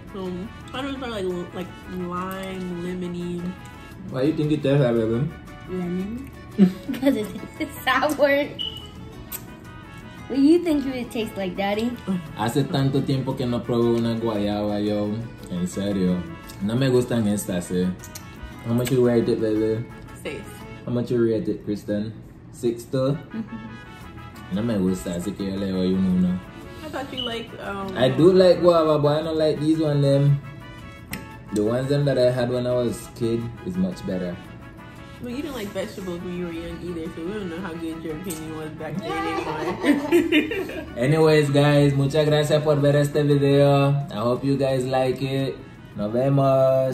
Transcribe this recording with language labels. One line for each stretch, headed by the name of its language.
English: I don't know, it's kind of like lime, lemony. Why do you think it tastes like lemon? Lemon? Because it tastes sour. What do you think it would taste like, daddy?
Spanish: Hace tanto tiempo que no probé una guayaba, yo. En serio. No me gustan estas, eh.
English: How much you rate it, baby? 6. How much you rate it, Kristen? 6 too?
Spanish: No me gusta, así que yo le doy un 1.
English: I thought you like, I do like guava, but I don't like these one them. The ones them that I had when I was a kid is much better. Well, you didn't like vegetables when you were young either, so we don't know how good your opinion was back then anymore. Anyways, guys,
Spanish: muchas gracias por ver este video.
English: I hope you guys like it.
Spanish: Nos vemos.